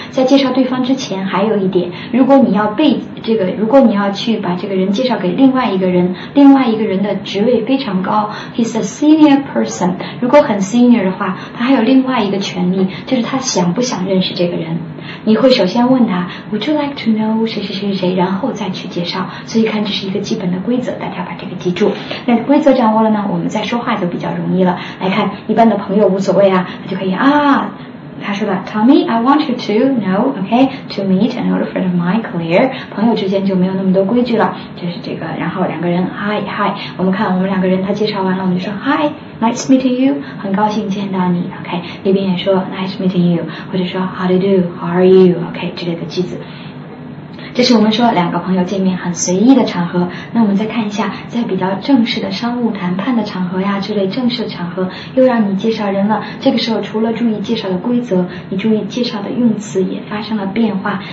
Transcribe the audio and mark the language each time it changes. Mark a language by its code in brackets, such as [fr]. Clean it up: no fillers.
[zh] 在介绍对方之前，还有一点，如果你要被这个，如果你要去把这个人介绍给另外一个人，另外一个人的职位非常高 ， [en] he's a senior person， [zh] 如果很 senior 的话，他还有另外一个权利，就是他想不想认识这个人。你会首先问他 [en] Would you like to know [zh] 谁谁谁谁，然后再去介绍。所以看，这是一个基本的规则，大家把这个记住。那规则掌握了呢，我们再说话就比较容易了。来看，一般的朋友无所谓啊，他就可以啊，他说了 [en] Tommy, I want you to know, okay, to meet an old friend of mine, Claire. [zh] 朋友之间就没有那么多规矩了，就是这个，然后两个人 Hi, hi, 我们看我们两个人他介绍完了，我们就说 [en] Hi, nice meeting you, [zh] 很高兴见到你 okay, 那边也说 [en] nice meeting you, [zh] 或者说 [en] How do you do, how are you, [zh] okay, 之类的句子。这是我们说两个朋友见面很随意的场合。那我们再看一下，在比较正式的商务谈判的场合呀，这类正式场合又让你介绍人了，这个时候除了注意介绍的规则，你注意介绍的用词也发生了变化。